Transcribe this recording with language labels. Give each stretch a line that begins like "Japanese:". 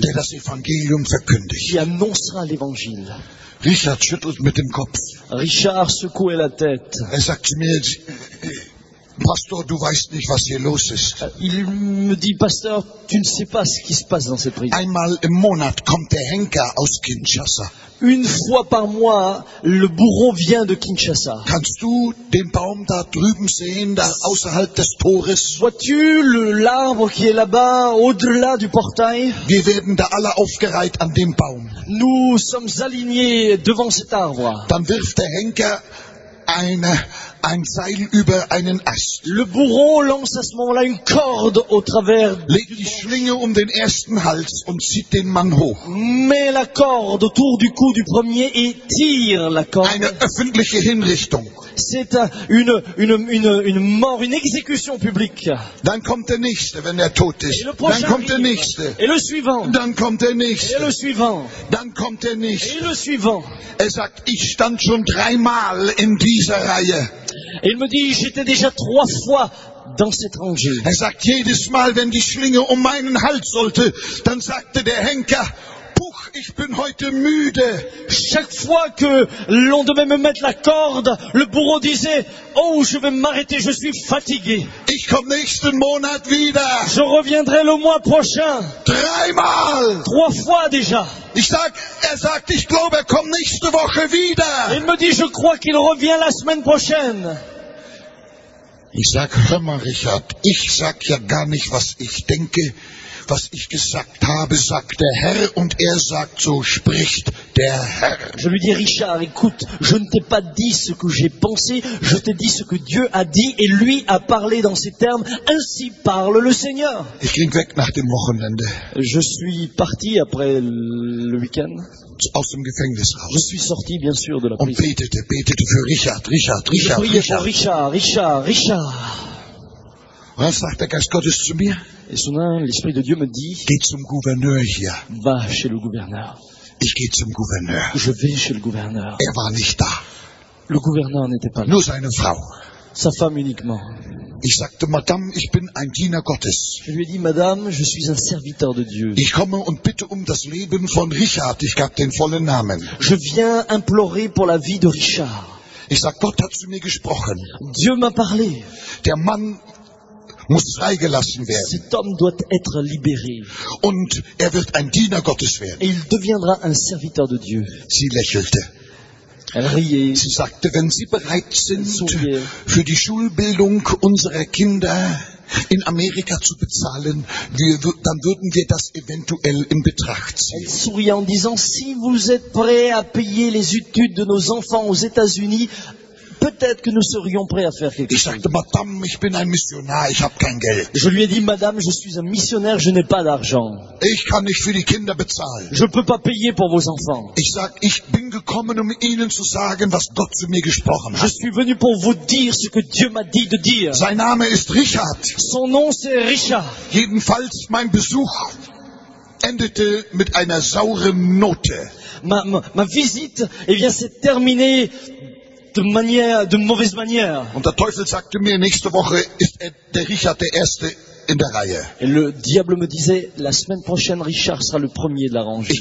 German: Der das Evangelium verkündigt.
French: Qui annoncera l'évangile.
German: Richard schüttelt mit dem Kopf.
French: Richard secoue la tête.
German: Er sagt zu mir, Pastor, du weißt nicht, was hier los ist.
French: Il me dit, Pasteur, tu ne sais pas ce qui se passe dans cette prison.
German: Einmal im Monat kommt der Henker aus Kinshasa.
French: Une fois par mois, le bourreau vient de Kinshasa.
German: Kannst du den Baum da drüben sehen, da außerhalb des Tores?
French: Vois-tu l'arbre qui est là-bas, au-delà du portail?
German: Wir werden da alle aufgereiht an dem Baum.
French: Nous sommes alignés devant cet arbre.
German: Dann wirft der Henker ein Seil über einen Ast.
French: Le bourreau lance à ce moment-là une corde au travers.
German: Legt die Schlinge um den ersten Hals und zieht den Mann hoch.
French: Met la corde autour du cou du premier et tire la corde.
German: Eine öffentliche Hinrichtung.
French: C'est une mort, une exécution publique.
German: Dann kommt der nächste, wenn er tot ist. Dann kommt der nächste.
French: Et le suivant.
German: Dann kommt der nächste.
French: Et le suivant.
German: Dann kommt der nächste.
French: Et le suivant.
German: Er sagt, ich stand schon dreimal in dieser Reihe.
French: Et il me dit, j'étais déjà trois fois dans cette rangée.
German: Er sagt, jedes Mal, wenn die Schlinge um meinen Hals sollte, dann sagte der Henker, puch, ich bin heute müde.
French: Chaque fois que l'on devait me mettre la corde, le bourreau disait, oh, je vais m'arrêter, je suis fatigué.
German: Ich komme nächsten Monat wieder.
French: Je reviendrai le mois prochain.
German: Dreimal.
French: Trois fois déjà.
German: Er sagt, ich glaube, er kommt nächste Woche wieder.
French: Il me dit, je crois qu'il revient la semaine prochaine.
German: Ich sag, hör mal, Richard, ich sag ja gar nicht, was ich denke. Was ich gesagt habe, sagt der Herr, und er sagt, so spricht der Herr.
French: Je lui dis, Richard, écoute, je ne t'ai pas dit ce que j'ai pensé, je t'ai dit ce que Dieu a dit, et lui a parlé dans ces termes, ainsi parle le Seigneur.
German: Ich ging weg nach dem Wochenende.
French: Je suis parti après le week-end.
German: Aus dem Gefängnis raus.
French: Je suis sorti, bien sûr, de la prison.
German: Und betete für Richard.
French: Je priais pour Richard.
German: Was sagt der Geist Gottes zu mir?
French: Et soudain, l'Esprit de Dieu me dit,
German: geh zum Gouverneur hier.
French: Va chez le gouverneur.
German: Ich gehe zum Gouverneur.
French: Je vais chez le gouverneur.
German: Er war nicht da.
French: Le gouverneur n'était pas là.
German: Nur seine Frau.
French: Sa femme uniquement.
German: Ich sagte, Madame, ich bin ein Diener Gottes.
French: Je lui ai dit, Madame, je suis un serviteur de Dieu.
German: Ich komme und bitte das Leben von Richard. Ich gab den vollen Namen.
French: Je viens implorer pour la vie de Richard.
German: Ich sag, Gott hat zu mir gesprochen.
French: Dieu m'a parlé.
German: Der Mann muss freigelassen werden.
French: Cet homme doit être libéré.
German: Und er wird ein Diener Gottes werden.
French: Et il deviendra un serviteur de Dieu.
German: Sie lächelte.
French: Elle riait.
German: Sie sagte, wenn Sie bereit sind, für die Schulbildung unserer Kinder in Amerika zu bezahlen, dann würden wir das eventuell in Betracht ziehen.
French: Elle souriait en disant, si vous êtes prêt à payer les études de nos enfants aux États-Unis, peut-être que nous serions prêts à faire quelque chose.
German: Ich sagte, Madame, ich bin ein Missionar, ich habe kein Geld.
French: Je lui ai dit, Madame, je suis un missionnaire, je n'ai pas d'argent.
German: Ich kann nicht für die Kinder bezahlen.
French: Je ne peux pas payer pour vos enfants.
German: Ich sag, ich bin gekommen, Ihnen zu sagen, was Gott zu mir gesprochen hat.
French: Je suis venu pour vous dire ce que Dieu m'a dit de dire.
German: Sein Name ist Richard.
French: Son nom, c'est Richard.
German: Jedenfalls, mein Besuch endete mit einer sauren Note.
French: Ma visite, eh bien, s'est terminée de mauvaise manière.
German: Und der Teufel sagte mir, nächste Woche ist der Richard der Erste in der Reihe.
French: Et le diable me disait, la semaine prochaine, Richard sera le premier de la rangée.